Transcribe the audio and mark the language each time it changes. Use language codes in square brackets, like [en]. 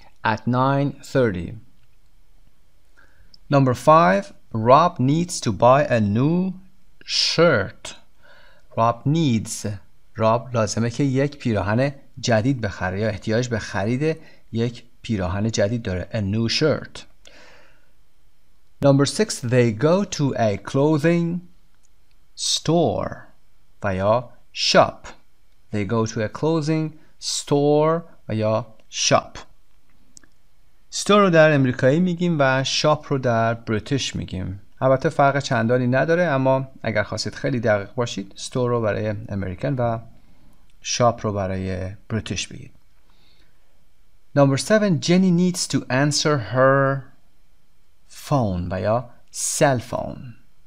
[en] At 9:30. Number 5, Rob needs to buy a new shirt. Rob needs. [fa] راب لازمه که یک پیراهن جدید بخره یا احتیاج به خرید یک پیراهن جدید داره. [en] A new shirt. Number six, they go to a clothing store. و یا shop. They go to a clothing store و یا shop. [fa] Store رو در امریکایی میگیم و shop رو در بریتیش میگیم. البته فرق چندانی نداره، اما اگر خواستید خیلی دقیق باشید store رو برای امریکن و shop رو برای بریتیش بگید. [en] Number seven, Jenny needs to answer her phone و یا cell phone.